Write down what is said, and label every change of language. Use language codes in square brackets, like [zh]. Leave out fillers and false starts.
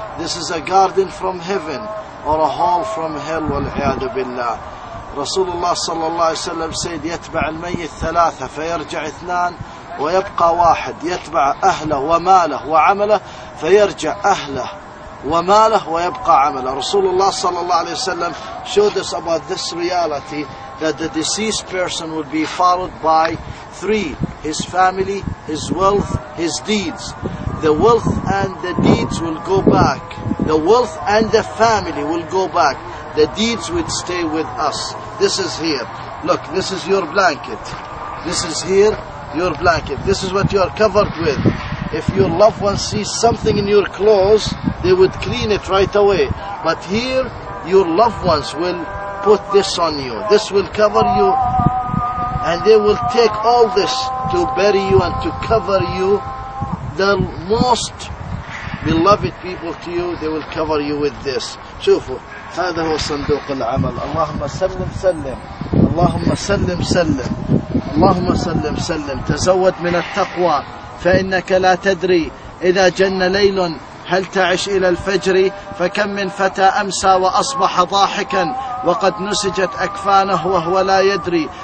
[en] This is a garden from heaven or a hall from hell [ar] والعياذ بالله. رسول الله صلى الله عليه وسلم سيد يتبع الميت ثلاثة فيرجع اثنان ويبقى واحد يتبع أهله وماله وعمله فيرجع أهله وماله ويبقى عمله. رسول الله صلى الله عليه وسلم [en] showed us about this reality that the deceased person would be followed by three: his family, his wealth, his deeds. The wealth and the deeds will go back. The wealth and the family will go back. The deeds would stay with us. This is here. Look, this is your blanket. This is here, your blanket. This is what you are covered with. If your loved one sees something in your clothes, they would clean it right away. But here, your loved ones will put this on you. This will cover you. And they will take all this to bury you and to cover you. The most beloved people to you, they will cover you with this. [ar] شوفوا. هذا هو صندوق العمل. اللهم سلم سلم، اللهم سلم سلم، اللهم سلم سلم. تزود من التقوى فإنك لا تدري إذا جن ليل هل تعش إلى الفجر. فكم من فتى أمسى وأصبح ضاحكا وقد نسجت أكفانه وهو لا يدري.